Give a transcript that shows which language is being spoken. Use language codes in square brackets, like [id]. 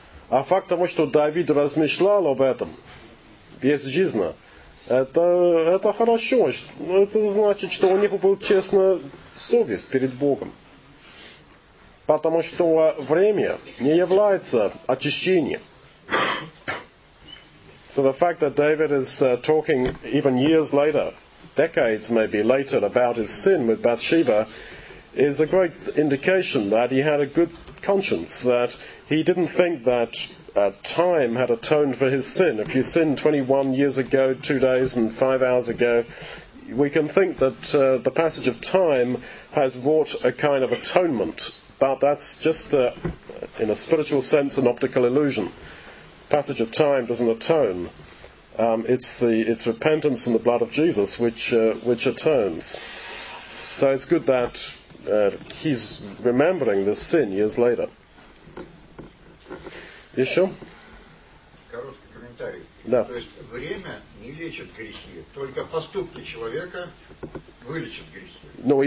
[ru] А факт того, что Давид размышлял об этом весь жизнь, это хорошо. Это значит, что у него был честный совесть перед Богом. Потому что время не является очищением. [en] So the fact that David is talking even years later, decades maybe later, about his sin with Bathsheba, is a great indication that he had a good conscience, that he didn't think that time had atoned for his sin. If you sinned 21 years ago, 2 days and 5 hours ago, we can think that the passage of time has wrought a kind of atonement, but that's just, in a spiritual sense, an optical illusion. Passage of time doesn't atone. It's repentance in the blood of Jesus which atones. So it's good that he's remembering this sin years later. [ru] Еще? Короткий комментарий. Да. То есть время не лечит грехи, только поступки человека вылечат грехи.